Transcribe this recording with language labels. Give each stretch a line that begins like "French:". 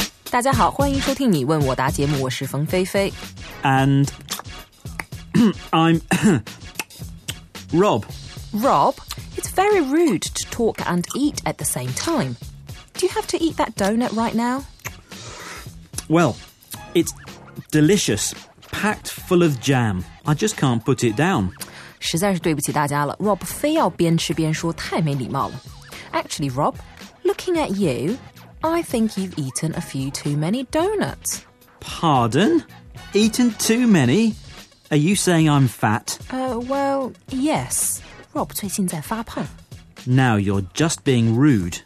Chinese: 大家好，欢迎收听你问我答节目，我是冯飞飞。
English: And I'm Rob. Rob, it's very rude to talk and eat at the same time. Do you have to eat that donut right now? Well, it's delicious, packed full of jam. I just can't put it down.
Chinese: 实在是对不起大家了, Rob 非要边吃边说太没礼貌了。
English: Actually, Rob, looking at you, I think you've eaten a few too many donuts. Pardon? Eaten too many? Are you saying I'm fat? Well, yes.
Chinese: Rob 最近在发胖。
English: Now you're just being rude.